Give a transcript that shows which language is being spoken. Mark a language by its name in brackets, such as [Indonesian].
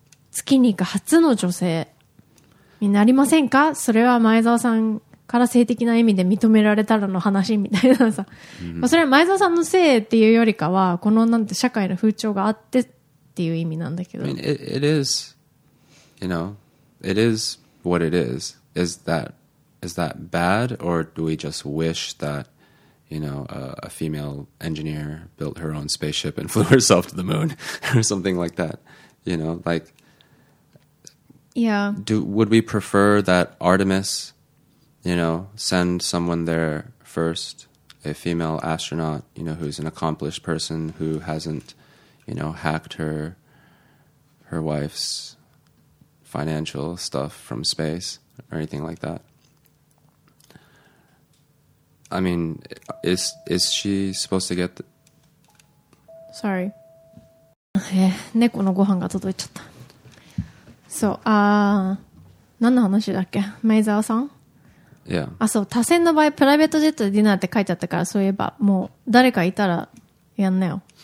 [Japanese] 月に行く初の女性になりませんか、それは前澤さんから性的な意味で認められたらの話みたいなさ、まあ、それは前澤さんのせいっていうよりかは、このなんて社会の風潮があってっていう意味なんだけど、 [English] I mean, it is, you know, it is what it is. Is that bad, or do we just wish that, you know, a female engineer built her own spaceship and flew herself to the moon or something like that, you know, like Yeah. Would we prefer that Artemis, you know, send someone there first, a female astronaut, you know, who's an accomplished person who hasn't, you know, hacked her wife's financial stuff from space or anything like that? I mean, is she supposed to get the... Sorry. [Japanese] 猫のご飯が届いちゃった。そう、ああ、何の話だっけ、前澤さん、 [English] yeah. [Japanese] あ、そう、他選の場合、プライベートジェットでディナーって書いてあったから、そういえば、もう、誰かいたら、やんなよ。